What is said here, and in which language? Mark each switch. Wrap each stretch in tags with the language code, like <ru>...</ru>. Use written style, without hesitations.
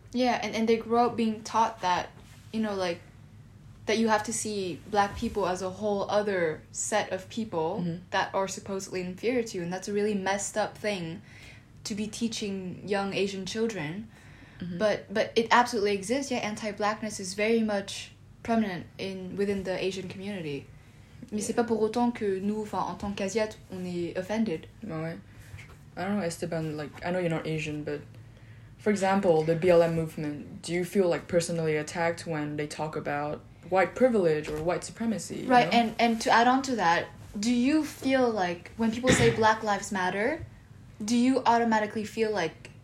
<en>Yeah, and they grow up being taught that, you know, like, that you have to see black people as a whole other set of people mm-hmm. that are supposedly inferior to you. And that's a really messed up thing to be teaching young Asian children. Mm-hmm. But it absolutely exists. Yeah, anti-blackness is very much prominent within the Asian community. Yeah.</en> <fr>Mais c'est pas pour autant que nous, enfin, en tant qu'Asiates, on est offended.</fr> <en>Ouais. I don't know, Esteban, like, I know you're not Asian, but for example, the BLM movement, do you feel, like, personally attacked when they talk about white privilege or white supremacy, you right know? and to add on to that, do you feel like when people say Black Lives Matter, do you automatically feel like</en>